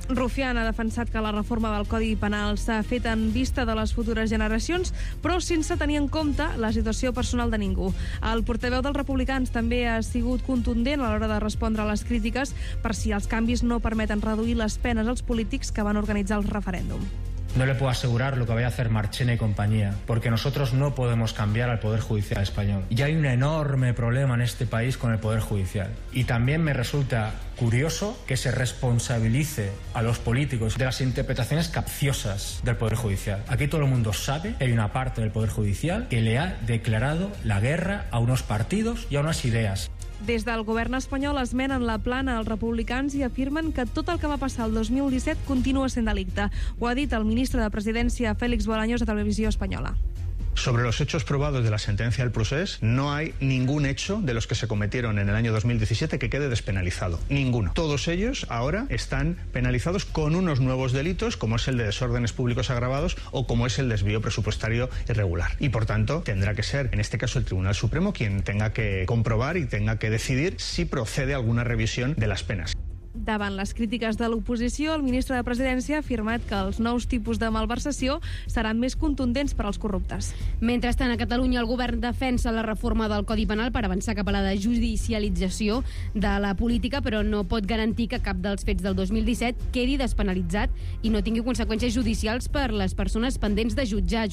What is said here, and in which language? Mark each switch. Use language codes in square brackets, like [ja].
[ca] Rufián ha defensat que la reforma del Codi Penal s'ha fet en vista de les futures generacions, però sense tenir en compte la situació personal de ningú. El portaveu dels Republicans també ha sigut contundent a l'hora de respondre a les crítiques per si els canvis no permeten reduir les penes als polítics que van organitzar el referèndum. [es] No le puedo asegurar lo que vaya a hacer Marchena y compañía, porque nosotros no podemos cambiar al Poder Judicial español. Y hay un enorme problema en este país con el Poder Judicial. Y también me resulta curioso que se responsabilice a los políticos de las interpretaciones capciosas del Poder Judicial. Aquí todo el mundo sabe que hay una parte del Poder Judicial que le ha declarado la guerra a unos partidos y a unas ideas. [ca] Des del govern espanyol esmenen la plana als republicans i afirmen que tot el que va passar el 2017 continua sent delicte. Ho ha dit el ministre de Presidència, Félix Bolaños, a Televisió Espanyola. [es] Sobre los hechos probados de la sentencia del procés, no hay ningún hecho de los que se cometieron en el año 2017 que quede despenalizado. Ninguno. Todos ellos ahora están penalizados con unos nuevos delitos, como es el de desórdenes públicos agravados o como es el desvío presupuestario irregular. Y, por tanto, tendrá que ser, en este caso, el Tribunal Supremo quien tenga que comprobar y tenga que decidir si procede alguna revisión de las penas. [ca] Davant les crítiques de l'oposició, el ministre de Presidència ha afirmat que els nous tipus de malversació seran més contundents per als corruptes. Mentrestant, a Catalunya, el govern defensa la reforma del Codi Penal per avançar cap a la desjudicialització de la política, però no pot garantir que cap dels fets del 2017 quedi despenalitzat i no tingui conseqüències judicials per les persones pendents de jutjar.